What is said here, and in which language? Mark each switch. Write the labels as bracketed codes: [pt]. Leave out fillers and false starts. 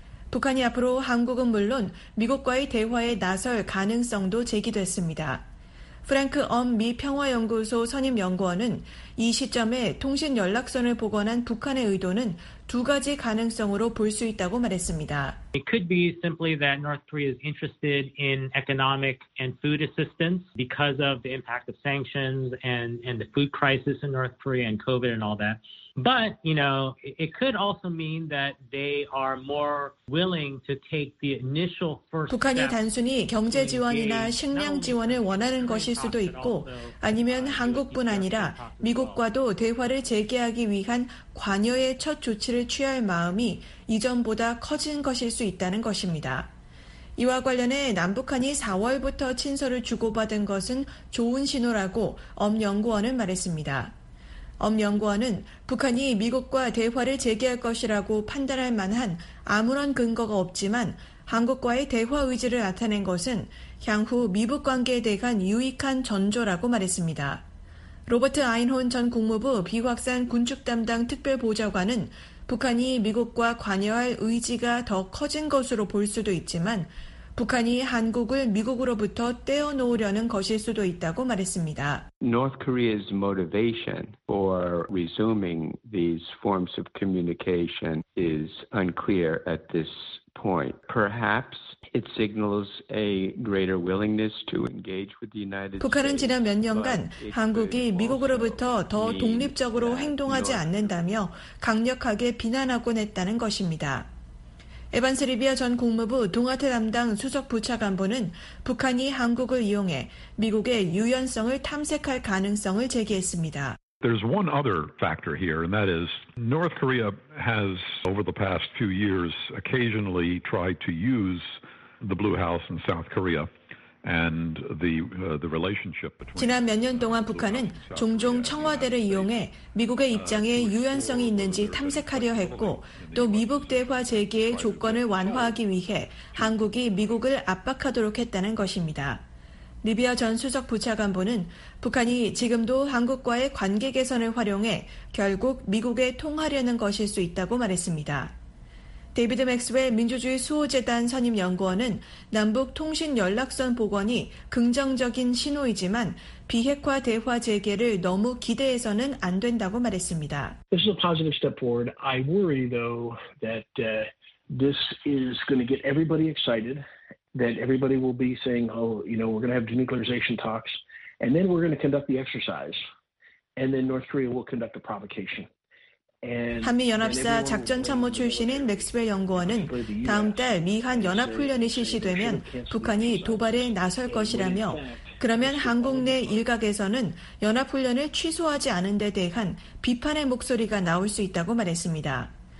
[ko] 북한이 앞으로 한국은 물론 미국과의 대화에 나설 가능성도 제기됐습니다. 프랭크 엄 미 평화연구소 선임연구원은 이 시점에 통신 연락선을 복원한 북한의 의도는 두 가지 가능성으로 볼 수 있다고 말했습니다. [en] It could be simply that North Korea is interested in economic and food assistance because of the impact of sanctions and the food crisis in North Korea and COVID and all that. But, you know, it could also mean that they are more willing to take the initial first step. [ko] 북한이 단순히 경제 지원이나 식량 지원을 원하는 것일 수도 있고 아니면 한국뿐 아니라 미국과도 대화를 재개하기 위한 관여의 첫 조치를 취할 마음이 이전보다 커진 것일 수 있다는 것입니다. 이와 관련해 남북한이 4월부터 친서를 주고받은 것은 좋은 신호라고 엄 연구원은 말했습니다. 엄 연구원은 북한이 미국과 대화를 재개할 것이라고 판단할 만한 아무런 근거가 없지만 한국과의 대화 의지를 나타낸 것은 향후 미북 관계에 대한 유익한 전조라고 말했습니다. 로버트 아인혼 전 국무부 비확산 군축 담당 특별보좌관은 북한이 미국과 관여할 의지가 더 커진 것으로 볼 수도 있지만 북한이 한국을 미국으로부터 떼어놓으려는 것일 수도 있다고 말했습니다. [en] North Korea's motivation for resuming these forms of communication is unclear at this point. Perhaps it signals a greater willingness to engage with the United States. [ko] 북한은 지난 몇 년간 한국이 미국으로부터 더 독립적으로 행동하지 않는다며 강력하게 비난하곤 했다는 것입니다. 에반스 리비아 전 국무부 동아태 담당 수석 부차관보는 북한이 한국을 이용해 미국의 유연성을 탐색할 가능성을 제기했습니다. [en] There's one other factor here, and that is North Korea has, over the past few years, occasionally tried to use the Blue House in South Korea. And the relationship between [ko] 지난 몇 년 동안 북한은 종종 청와대를 이용해 미국의 입장에 유연성이 있는지 탐색하려 했고 또 미북 대화 재개의 조건을 완화하기 위해 한국이 미국을 압박하도록 했다는 것입니다. 리비아 전 수석 부차관보는 북한이 지금도 한국과의 관계 개선을 활용해 결국 미국에 통하려는 것일 수 있다고 말했습니다. 데이비드 맥스웰 민주주의 수호재단 선임연구원은 남북 통신 연락선 복원이 긍정적인 신호이지만 비핵화 대화 재개를 너무 기대해서는 안 된다고 말했습니다. [en] This is a positive step forward. I worry though that this is going to get everybody excited, that everybody will be saying, oh, you know, we're going to have denuclearization talks, and then we're going to conduct the exercise, and then North Korea will conduct a provocation. [ko] 한미연합사 작전참모 출신인 맥스웰 연구원은 다음 달 미한연합훈련이 실시되면 북한이 도발에 나설 것이라며 그러면 한국 내 일각에서는 연합훈련을 취소하지 않은 데 대한 비판의 목소리가 나올 수 있다고 말했습니다.